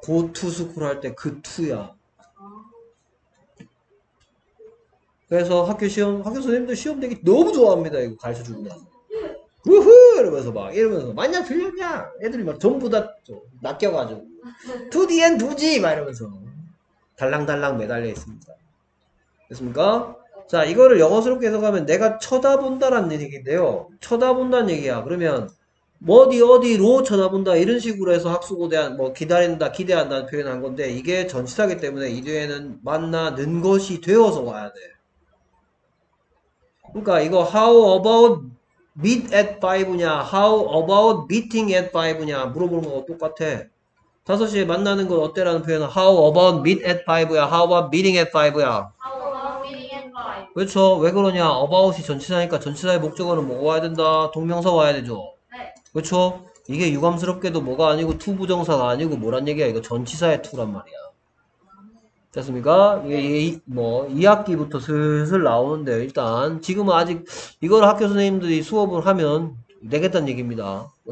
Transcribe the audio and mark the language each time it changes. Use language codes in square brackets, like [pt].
[en] go to school [ko] 할때그 투야. 그래서 학교 선생님들 시험 되게 너무 좋아합니다. 이거 가르쳐 주고 나서. 우후 이러면서 막 이러면서 맞냐 틀렸냐 애들이 막 전부 다 낚여가지고 2DN 2G 막 이러면서 달랑달랑 매달려 있습니다. 됐습니까? 자 이거를 영어스럽게 해석하면 내가 쳐다본다라는 얘기인데요. 쳐다본다는 얘기야. 그러면 어디 어디로 쳐다본다 이런 식으로 해서 학수고대한 뭐 기다린다 기대한다는 표현한 건데 이게 전치사기 때문에 이 뒤에는 만나는 것이 되어서 와야 돼. 그러니까 이거 [en] how about meet at 5 [ko] 냐, [en] how about meeting at 5 [ko] 냐, 물어보는 거 똑같아. 5시에 만나는 건 어때라는 표현은 [en] how about meet at 5 [ko] 야, [en] how about meeting at 5 [ko] 야. [en] How about meeting at 5? [ko] 그렇죠. 왜 그러냐, about이 전치사니까 전치사의 목적어는 뭐가 와야 된다, 동명사 와야 되죠. 그렇죠. 이게 유감스럽게도 뭐가 아니고 to 부정사가 아니고 뭐란 얘기야, 이거 전치사의 to란 말이야. 됐습니까? 이게 뭐 2학기부터 슬슬 나오는데 일단 지금 아직 이걸 학교 선생님들이 수업을 하면 되겠다는 얘기입니다.